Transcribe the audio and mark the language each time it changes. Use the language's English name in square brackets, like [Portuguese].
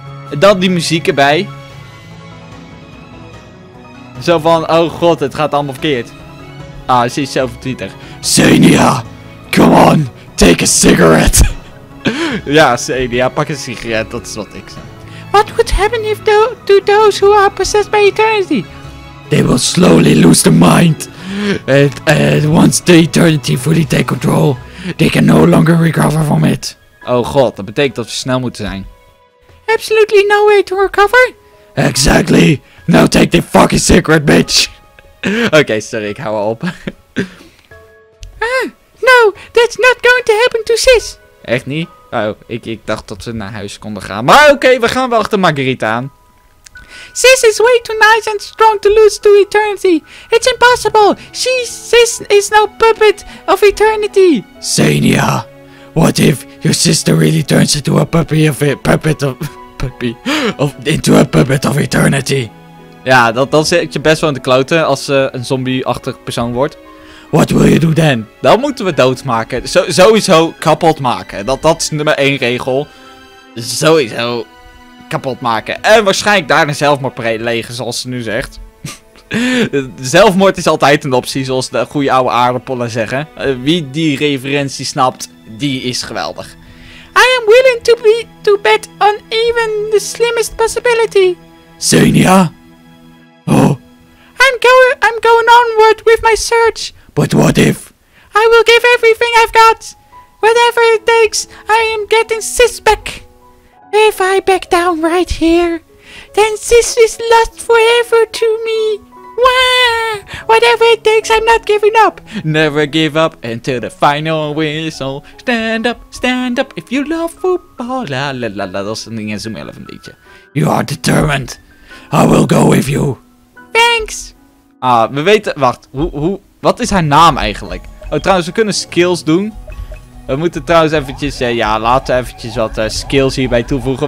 [Dutch] En dan die muziek erbij. Zo van, oh god, het gaat allemaal verkeerd. Ah, ze is zo verdrietig. [English] Senia, come on, take a cigarette. [Dutch] Ja, Senia, pak een sigaret, dat is wat ik zeg. [English] What would happen if to those who are possessed by eternity? They will slowly lose their mind. And once the eternity fully take control... They can no longer recover from it. [Dutch] Oh god, dat betekent dat we snel moeten zijn. [English] Absolutely no way to recover. Exactly. Now take the fucking cigarette, bitch. [Dutch] Oké, sorry, ik hou op. [English] No, that's not going to happen to Sis. [Dutch] Echt niet? Oh, ik dacht dat ze naar huis konden gaan. Maar oké, we gaan wel achter Margarita aan. [English] Sis is way too nice and strong to lose to eternity. It's impossible. Sis is no puppet of eternity. Senia, what if your sister really turns into a puppy of a puppet of puppy of into a puppet of eternity? [Dutch] Ja, dat zit je best wel in de kloten als ze een zombie-achtig persoon wordt. [English] What will you do then? [Dutch] Dan moeten we doodmaken. Sowieso kapot maken. Dat is nummer 1 regel. Sowieso. Kapot maken. En waarschijnlijk daar een zelfmoord plegen, zoals ze nu zegt. Zelfmoord is altijd een optie, zoals de goede oude aardappelen zeggen. Wie die referentie snapt, die is geweldig. [English] I am willing to bet on even the slimmest possibility. Senia? Oh. I'm going onward with my search. But what if? I will give everything I've got. Whatever it takes, I am getting Sis back. If I back down right here, then Sis is lost forever to me. Wah! Whatever it takes, I'm not giving up. Never give up until the final whistle. Stand up, stand up. If you love football, la la la la. [Dutch] Dat is een ding in Zoom 11 liedje. [English] You are determined. I will go with you. Thanks. [Dutch] We weten. Wacht. Wat is haar naam eigenlijk? Oh, trouwens, we kunnen skills doen. We moeten trouwens eventjes, laten we eventjes wat skills hierbij toevoegen.